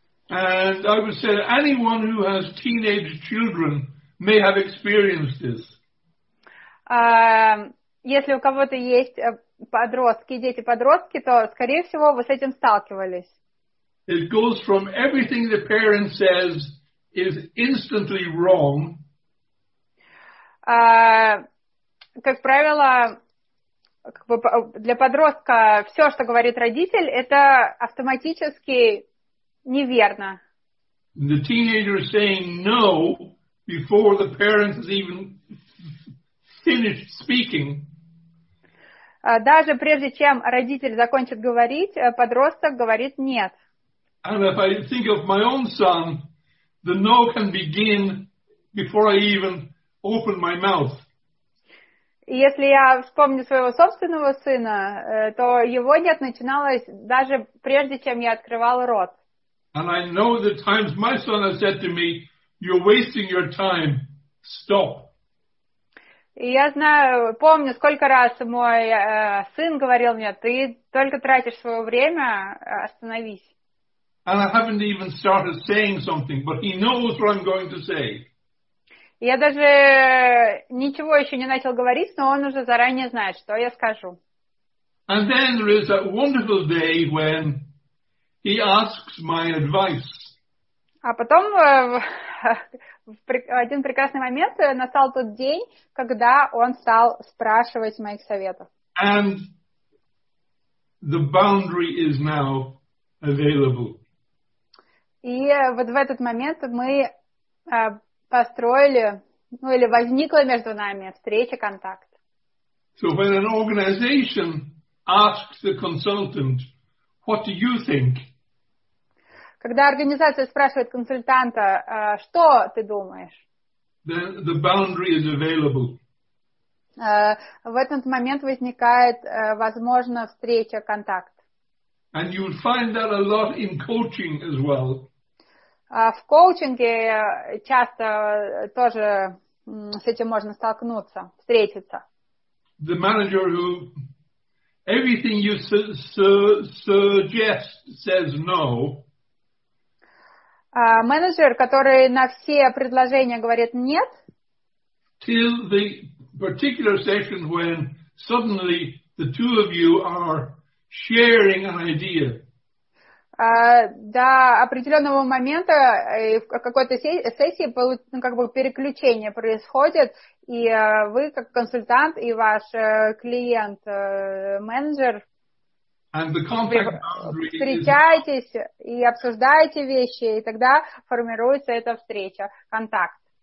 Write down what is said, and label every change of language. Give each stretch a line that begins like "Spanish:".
English: And I would say anyone who has teenage children may have experienced this.
Russian: Если у кого-то есть подростки, дети-подростки, то, скорее всего, вы с этим сталкивались.
English: It goes from everything the parent says is instantly wrong.
Russian: Как правило, как бы для подростка все, что говорит родитель, это автоматически неверно.
English: The teenager is saying no before the parent has even finished speaking.
Russian: Даже прежде чем родитель закончит говорить, подросток говорит нет.
English: And if I think of my own son, the no can begin before I even open my mouth.
Russian: Если я вспомню своего собственного сына, то его нет начиналось даже прежде, чем я открывал рот.
English: And I know the times my son has said to me, "You're wasting your time. Stop."
Russian: И я знаю, помню, сколько раз мой сын говорил мне, "Ты только тратишь свое время. Остановись."
English: And I haven't even started saying something, but he knows what I'm going to say.
Russian: Я даже ничего еще не начал говорить, но он уже заранее знает, что я скажу.
English: And then there is that wonderful day when he asks my advice.
Russian: А потом один прекрасный момент настал тот день, когда он стал спрашивать моих советов.
English: And the boundary is now available.
Russian: И вот в этот момент мы построили, ну или возникла между нами встреча, контакт.
English: So when an organization asks the consultant, what do you think?
Russian: Когда организация спрашивает консультанта, что ты думаешь?
English: Then the boundary is available.
Russian: В этот момент возникает, возможно, встреча, контакт.
English: And you'll find that a lot in coaching as well.
Russian: В коучинге часто тоже с этим можно столкнуться, встретиться.
English: The manager who everything you suggest says no.
Russian: Менеджер, который на все предложения говорит нет.
English: Till the particular session when suddenly the two of you are sharing an idea.
Russian: До определенного момента в какой-то сессии, ну, как бы переключение происходит, и вы как консультант и ваш клиент менеджер встречаетесь и обсуждаете вещи, и тогда формируется эта встреча, контакт.